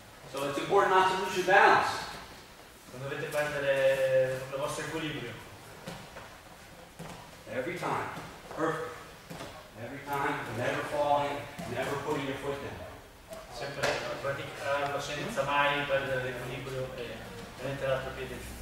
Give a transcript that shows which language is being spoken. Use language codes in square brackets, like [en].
[en] So it's important not to lose your balance. [it] Non dovete perdere il vostro equilibrio. [en] Every time, perfect. Every time, never falling, never putting your foot down. [it] Sempre praticando senza mai perdere l'equilibrio e mettere l'altro piede.